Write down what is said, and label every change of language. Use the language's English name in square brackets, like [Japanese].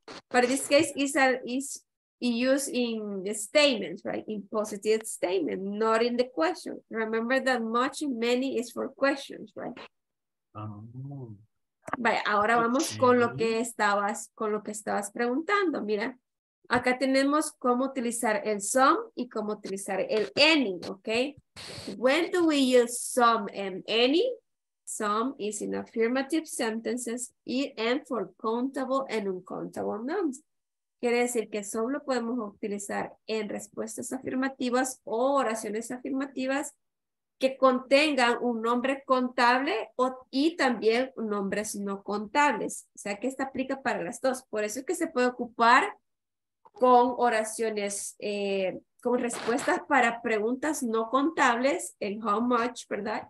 [English] But in this case, is used in the statements, right? In positive statement, not in the question. Remember that much and many is for questions, right? [Spanish] Vaya, ahora vamos con lo que estabas preguntando. Mira, acá tenemos cómo utilizar el some y cómo utilizar el any, ¿ok? [English] When do we use some and any? Some is in affirmative sentences and for countable and uncountable nouns. [Spanish] Quiere decir que some lo podemos utilizar en respuestas afirmativas o oraciones afirmativas que contengan un nombre contable y también nombres no contables. O sea, que esta aplica para las dos. Por eso es que se puede ocupar con oraciones, con respuestas para preguntas no contables, en how much, ¿verdad?